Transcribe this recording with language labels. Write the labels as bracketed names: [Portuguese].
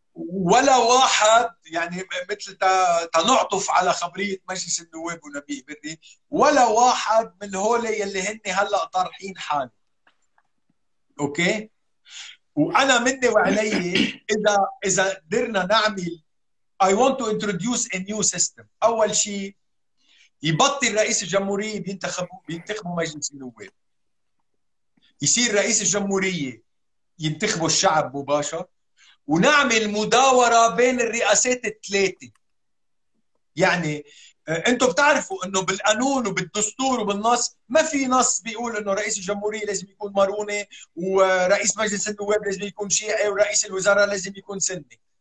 [Arabic] ولا واحد، يعني مثل تنعطف على خبرية مجلس النواب ونبيه بري، ولا واحد من هولي يلي هني هلأ طرحين حالي. أوكي؟ وأنا مني وعلي إذا قدرنا نعمل [English] I want to introduce a new system. [Arabic] أول شيء يبطل رئيس الجمهورية بينتخبه مجلس النواب. يصير رئيس الجمهورية ينتخبه الشعب مباشرة. ونعمل مداورة بين الرئاسات الثلاثة. يعني انتم بتعرفوا انه بالقانون وبالدستور وبالنص ما في نص بيقول انه رئيس الجمهورية لازم يكون مرونه ورئيس مجلس النواب لازم يكون شيعي ورئيس الوزراء لازم يكون سني.